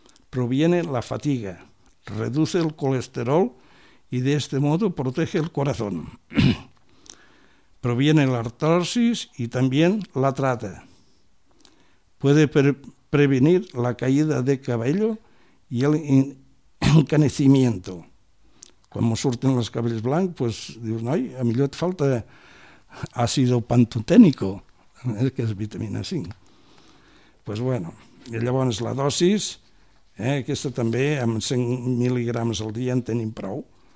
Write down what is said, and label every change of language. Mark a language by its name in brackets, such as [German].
[Spanish] previene la fatiga, [Catalan] reduix el colesterol i [Spanish] d'este modo protege el corazón. Proviene la artrosis y también la trata. Puede prevenir la caída de cabello y el encanecimiento. [Catalan] Quan surten els cabells blancs, pues dius, noi, a millor et falta ácido pantoténico, que és vitamina 5. Pues bueno, i llavors la dosis, aquesta també, amb 100 mil·lígrams al dia en tenim prou.